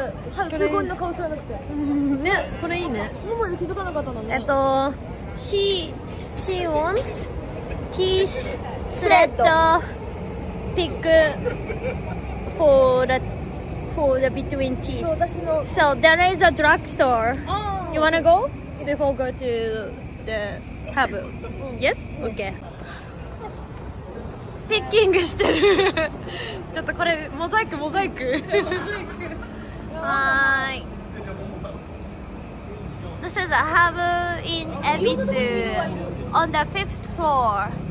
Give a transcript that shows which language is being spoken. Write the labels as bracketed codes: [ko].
[ja] はい、空港の顔じゃなくてね、これいいね。今まで気づかなかったのね。 [en] She wants teeth threadPick for the between teeth. So there is a drugstore. You wanna go before go to the hub? Yes. Okay. [ja] Picking してる。ちょっとこれモザイク。はい。 [en] This is a hub in Ebisu on the fifth floor.